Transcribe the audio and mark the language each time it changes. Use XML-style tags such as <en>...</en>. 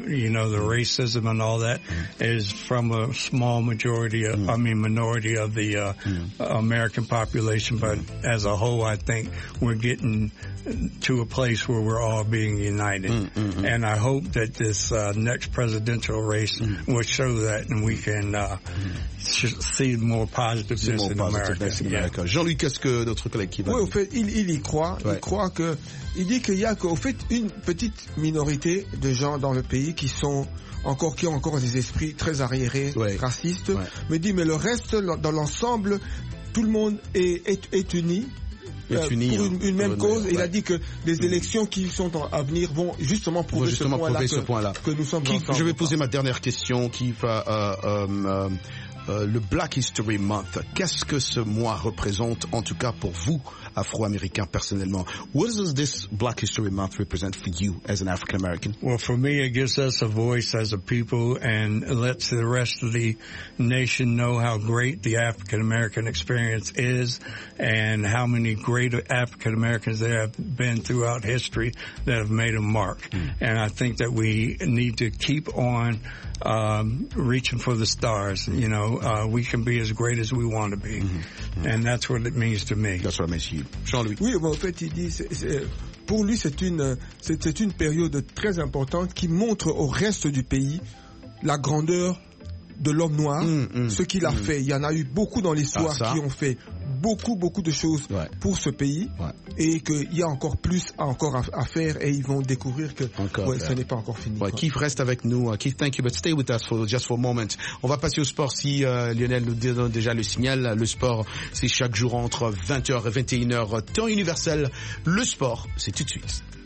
<en>You know, the racism and all that is from a small majority, minority of the American population. But as a whole, I think we're getting to a place where we're all being united. And I hope that this next presidential race will show that, and we can see more positiveness in America.</en> <fr>Jean-Luc, qu'est-ce que notre collègue qui va dire? Oui, au fait, il y croit. Ouais. Il croit que... Il dit qu'il y a, au fait, une petite minorité de gens dans le pays qui sont... encore, qui ont encore des esprits très arriérés, racistes. Ouais. Mais dit, mais le reste, dans l'ensemble, tout le monde est uni. Pour une même cause, il a dit que les élections qui sont à venir vont justement prouver, ce point-là que nous sommes Keith, ensemble. Je vais poser ma dernière question, Keith. Le Black History Month, qu'est-ce que ce mois représente, en tout cas pour vous, Afro-Américains, personnellement?</fr> <en>What does this Black History Month represent for you as an African-American? Well, for me, it gives us a voice as a people and lets the rest of the nation know how great the African-American experience is and how many great African-Americans there have been throughout history that have made a mark. And I think that we need to keep on reaching for the stars, you know. We can be as great as we want to be. And that's what it means to me. That's what it means to you. Jean-Louis.</en> <fr>Oui, mais en fait, il dit, pour lui, c'est une période très importante qui montre au reste du pays la grandeur de l'homme noir, ce qu'il a fait. Il y en a eu beaucoup dans l'histoire qui ont fait beaucoup, beaucoup de choses pour ce pays. Ouais. Et qu'il y a encore plus à faire et ils vont découvrir que ce n'est pas encore fini. Ouais. Keith, reste avec nous.</fr> <en>Keith, thank you, but stay with us for a moment.</en> <fr>On va passer au sport si Lionel nous donne déjà le signal. Le sport, c'est chaque jour entre 20h et 21h, temps universel. Le sport, c'est tout de suite.</fr>